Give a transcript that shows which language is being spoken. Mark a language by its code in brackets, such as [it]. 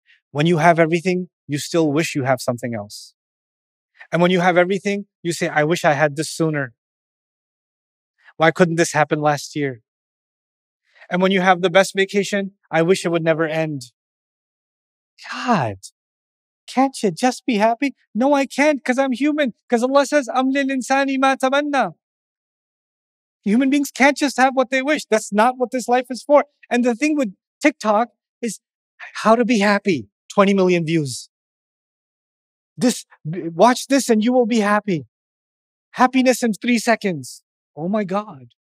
[en] When you have everything, you still wish you have something else. And when you have everything, you say, I wish I had this sooner. Why couldn't this happen last year? And when you have the best vacation, I wish it would never end. God, can't you just be happy? No, I can't, because I'm human. Because Allah says, [ar] أَمْلِلْ إِنسَانِ مَا تَمَنَّى. [en] Human beings can't just have what they wish. That's not what this life is for. And the thing with TikTok is how to be happy. 20 million views. This, watch this and you will be happy. Happiness in 3 seconds. Oh my God.